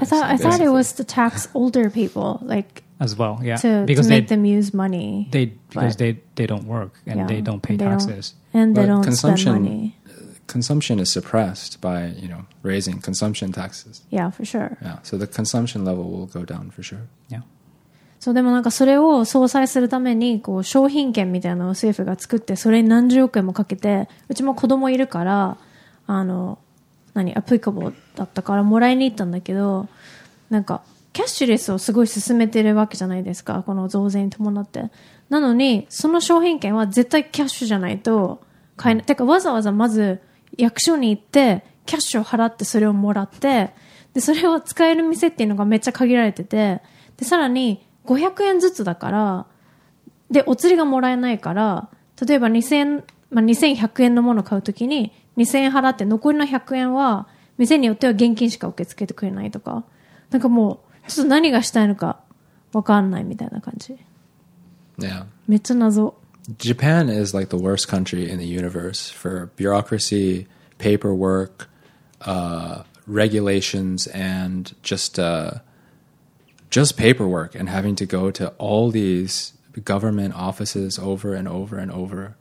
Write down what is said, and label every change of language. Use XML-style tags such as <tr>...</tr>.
<en>I thought it was to tax older people, like... As well, yeah. To make them use money. Because they don't work and yeah, they don't pay taxes. They don't spend money. Consumption is suppressed by, you know, raising consumption taxes. Yeah, for sure. Yeah, so the consumption level will go down for sure. Yeah.</en> <ja>そう、でもなんかそれを相殺するためにこう商品券みたいなのを政府が作って、それに何十億円もかけて、うちも子供いるから、何アプリカブルだったからもらいに行ったんだけど、なんかキャッシュレスをすごい進めてるわけじゃないですか、この増税に伴って。なのにその商品券は絶対キャッシュじゃないと買えない。てかわざわざまず役所に行ってキャッシュを払ってそれをもらって、でそれを使える店っていうのがめっちゃ限られてて、でさらに500円ずつだから、で、お釣りがもらえないから、例えば2000、まあ、2100円のものを買うときに2000円払って、残りの100円は店によっては現金しか受け付けてくれないとか、なんかもう、ちょっと何がしたいのか分かんないみたいな感じ。</ja> <en>Yeah.</en> <ja>めっちゃ謎。</ja> <en>Japan is like the worst country in the universe for bureaucracy, paperwork, regulations, and just paperwork and having to go to all these government offices over and over and over、</en>